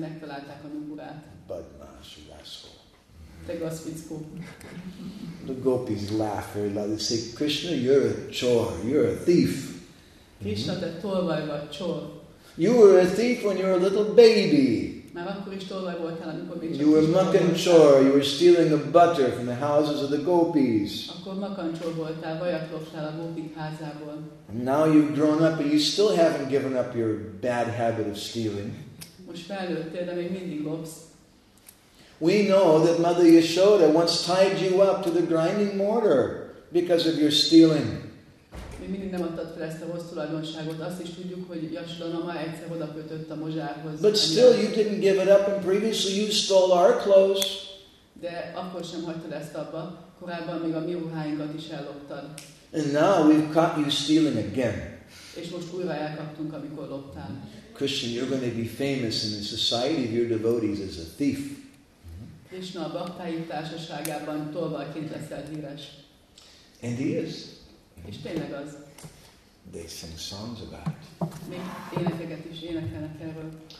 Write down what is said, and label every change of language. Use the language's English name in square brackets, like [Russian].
[English] Badmash, rascal. The gopis laugh very loud. They say, Krishna, you're a chore, you're a thief. [Hungarian] Krishna, te tolvaj vagy, csor. [English] You were a thief when you were a little baby. [Hungarian] Már akkor is tolvaj voltál, amikor még csak [English] you were makancsor, you were stealing the butter from the houses of the gopis. [Hungarian] Akkor makancsor voltál, vajat loptál a gópik házából. [English] Now you've grown up and you still haven't given up your bad habit of stealing. [Hungarian] Most felnőttél, de még mindig lopsz. [English] We know that Mother Yashoda once tied you up to the grinding mortar because of your stealing. [Hungarian] Mindig nem adtad fel ezt a rossz tulajdonságot. Azt is tudjuk, hogy Yashoda ma egyszer odakötött a mozsárhoz. [English] But still you didn't give it up and previously you stole our clothes. [Hungarian] De akkor sem hagytad ezt abba. Korábban még a mi ruháinkat is elloptad. [English] And now we've caught you stealing again. [Hungarian] És most újra elkaptunk, amikor loptál. [English] Krishna, you're going to be famous in the society of your devotees as a thief. [Hungarian] Krishna, a baktái társaságában tolvajként leszel híres. [English] And he is. [Hungarian] És tényleg az. [English] They sing songs about it. [Hungarian] Még énekeket is énekelnek erről.